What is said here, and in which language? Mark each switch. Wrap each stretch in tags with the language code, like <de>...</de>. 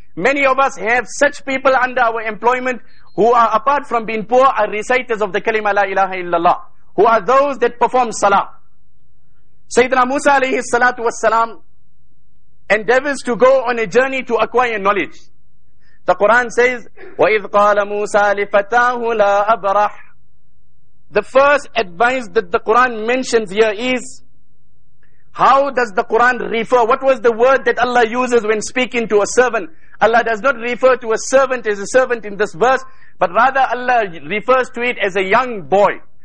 <en>Many of us have such people under our employment who are, apart from being poor, are reciters of the kalima la ilaha illallah, who are those that perform salah. Sayyidina Musa alayhi salatu wassalam endeavors to go on a journey to acquire knowledge. The Quran says,</en> <ar>وَإِذْ قَالَ مُوسَى لِفَتَاهُ لَا أَبْرَحُ.</ar> <en>The first advice that the Quran mentions here is, how does the Quran refer? What was the word that Allah uses when speaking to a servant? Allah does not refer to a servant as a servant in this verse, but rather Allah refers to it as a young boy.</en>